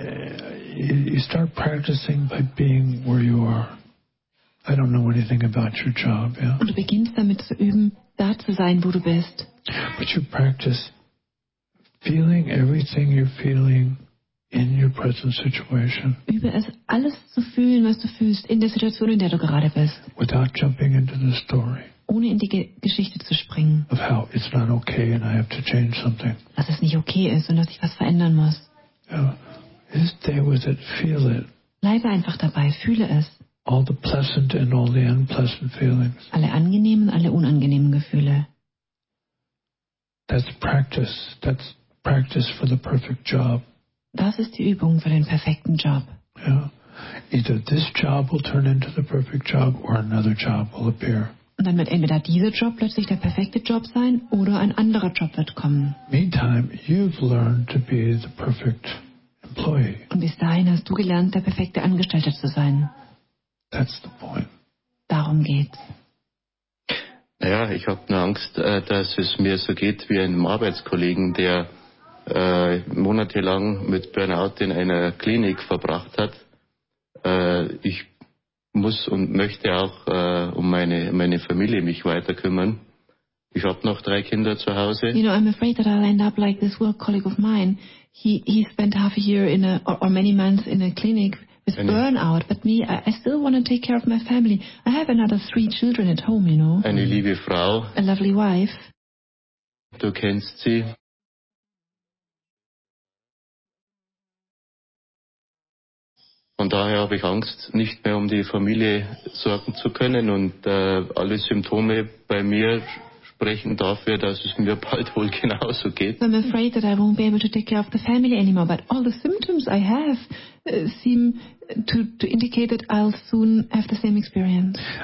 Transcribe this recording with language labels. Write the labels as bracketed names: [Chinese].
[English] You start practicing by being where you are. I don't know anything about your job, yeah. [German] Und du beginnst damit zu üben, da zu sein, wo du bist. [English] But you practice Feeling everything you're feeling in your present situation. [German] Übe es, alles zu fühlen, was du fühlst, in der Situation, in der du gerade bist. [English] Without jumping into the story. [German] Ohne in die Geschichte zu springen. [English] Of how it's not okay and I have to change something. [German] Dass es nicht okay ist und dass ich was verändern muss. [English] Yeah. Stay with it, feel it. [German] Bleibe einfach dabei, fühle es. [English] All the pleasant and all the unpleasant feelings. [German] Alle angenehmen, alle unangenehmen Gefühle. [English] That's practice. That's practice for the perfect job. [German] Das ist die Übung für den perfekten Job. [English] Yeah. Either this job will turn into the perfect job or another job will appear. [German] Und dann wird entweder dieser Job plötzlich der perfekte Job sein oder ein anderer Job wird kommen. [English] Meantime, you've learned to be the perfect employee. [German] Und bis dahin hast du gelernt, der perfekte Angestellte zu sein. [English] That's the point. [German] Darum geht's. Naja, ich habe nur Angst, dass es mir so geht wie einem Arbeitskollegen, der monatelang mit Burnout in einer Klinik verbracht hat. Ich muss und möchte auch um meine Familie mich weiter kümmern. Ich habe noch 3 Kinder zu Hause. [English] You know, I'm afraid that I'll end up like this work colleague of mine. He spent half a year in a or many months in a clinic with burnout, but me, I still want to take care of my family. I have another 3 children at home, you know. [German] Eine liebe Frau. [English] A lovely wife. [German] Du kennst sie. Von daher habe ich Angst, nicht mehr um die Familie sorgen zu können. Und alle Symptome bei mir sprechen dafür, dass es mir bald wohl genauso geht. [English] I'm afraid that I won't be able to take care of the family anymore. But all the symptoms I have seem to indicate that I'll soon have the same experience.